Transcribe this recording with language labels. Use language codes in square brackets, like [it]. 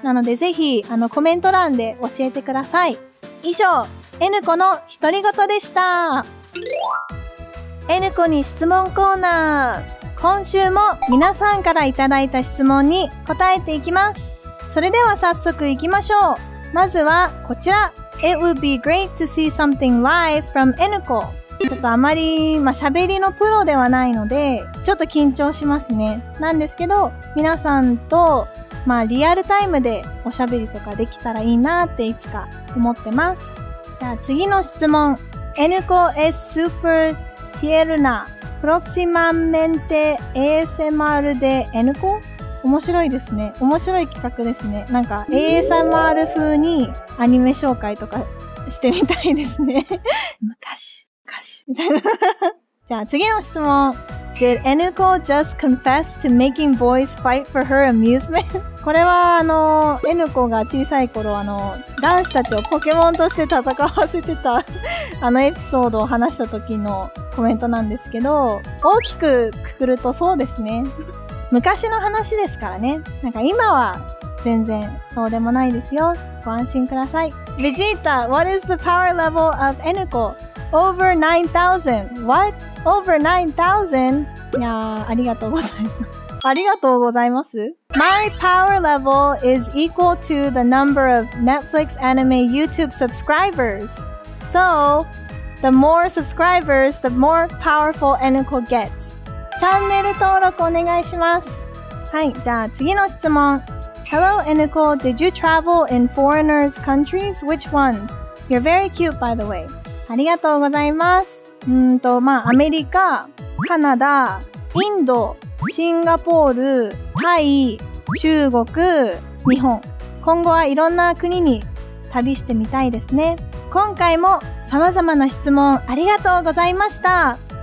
[ja] なのでぜひあのコメント欄で教えてください。以上、N 子の独り言でした。 N 子に質問コーナー。今週も皆さんからいただいた質問に答えていきます。それでは早速いきましょう。まずはこちら。 [en] It would be great to see something live from N 子。 [ja] ちょっとあまり、まあ、喋りのプロではないので、ちょっと緊張しますね。なんですけど、皆さんと、まあ、リアルタイムでおしゃべりとかできたらいいなっていつか思ってます。じゃあ次の質問。 [es] N 子 es super tierna próximamente ASMR de N 子? [ja] 面白いですね。面白い企画ですね。なんか ASMR 風にアニメ紹介とかしてみたいですね。昔みたいな。じゃあ次の質問。 [en] Did N 子 just confess to making boys fight for her amusement? [ja] これは、N 子が小さい頃、男子たちをポケモンとして戦わせてた、エピソードを話した時のコメントなんですけど、大きくくくるとそうですね。昔の話ですからね。なんか今は全然そうでもないですよ。ご安心ください。 [en] ベジータ、What is the power level of N 子? Over 9000. What? Over 9000? [ja] いやー、ありがとうございます。ありがとうございます。 [en] My power level is equal to the number of Netflix anime YouTube subscribers. So, the more subscribers, the more powerful Enuko gets. [ja] チャンネル登録お願いします。はい、じゃあ次の質問。 [en] Hello Enuko, did you travel in foreigners' countries? Which ones? You're very cute, by the way. [ja] ありがとうございます。まあ、アメリカ、カナダ、インド、シンガポール、タイ、中国、日本。今後はいろんな国に旅してみたいですね。今回も様々な質問ありがとうございました。